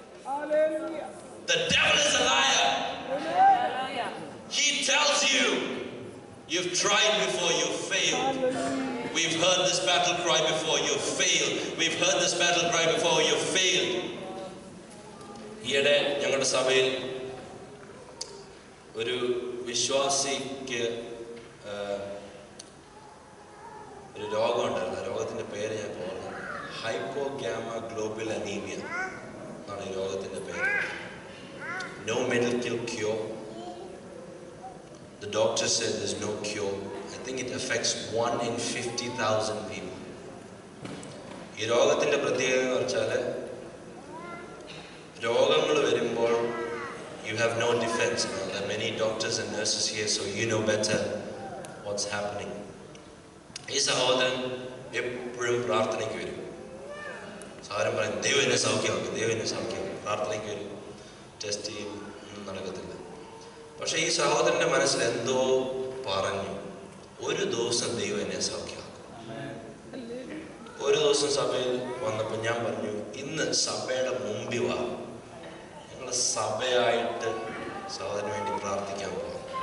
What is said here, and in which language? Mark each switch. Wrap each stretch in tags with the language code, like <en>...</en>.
<en>Hallelujah. The devil is a liar. He tells you, you've tried before, you failed. We've heard this battle cry before, you failed. We've heard this battle cry before, you failed.</en> <ml>ഇവിടെ ഞങ്ങളുടെ സഭയിൽ ഒരു വിശ്വാസിക്ക് ഒരു രോഗം ഉണ്ടായിരുന്നു. രോഗത്തിന്റെ പേര് ഞാൻ പറഞ്ഞു, ഹൈപ്പോ ഗ്യാമ ഗ്ലോബൽ അനീമിയ എന്നാണ് ഈ രോഗത്തിന്റെ പേര്.</ml> <en>No medical cure. The doctor said there's no cure. I think it affects 1 in 50,000 people.</en> <ml>ഈ രോഗത്തിന്റെ പ്രത്യേകത എന്ന് വെച്ചാല്, രോഗങ്ങൾ വരുമ്പോൾ</ml> <en>you have no defense. Now, there are many doctors and nurses here, so you know better what's happening.</en> <ml>ഈ സഹോദരൻ എപ്പോഴും പ്രാർത്ഥനയ്ക്ക് വരും. സാധാരണ പറയും ദൈവം എന്നെ സൗഖ്യമാക്കി, ദൈവം എന്നെ സൗഖ്യമാക്കി, പ്രാർത്ഥനയ്ക്ക് വരും, ടെസ്റ്റ് ചെയ്യും, ഒന്നും നടക്കത്തില്ല. പക്ഷെ ഈ സഹോദരൻ്റെ മനസ്സിൽ എന്തോ പറഞ്ഞു, ഒരു ദിവസം ദൈവം എന്നെ സൗഖ്യമാക്കും. ഒരു ദിവസം സഭയിൽ വന്നപ്പോൾ ഞാൻ പറഞ്ഞു, ഇന്ന് സഭയുടെ മുമ്പിൽ വാ, ഞങ്ങൾ സഭയായിട്ട് സഹോദരന് വേണ്ടി പ്രാർത്ഥിക്കാൻ പോകാം.</ml>